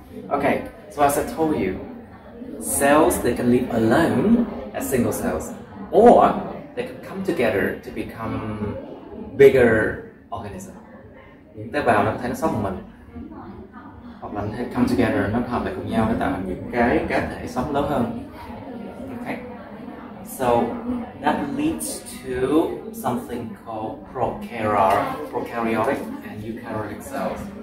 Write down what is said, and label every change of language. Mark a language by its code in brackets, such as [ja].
[en] Okay, so as I told you, cells, they can live alone as single cells, or they can come together to become bigger organism. [vi] Những tế bào nó có thể nó sống một mình, hoặc là nó thể [en] come together, [vi] nó hợp lại cùng nhau để tạo thành những cái cá thể sống lớn hơn. Okay, [en] So that leads to something called prokaryotic and eukaryotic cells.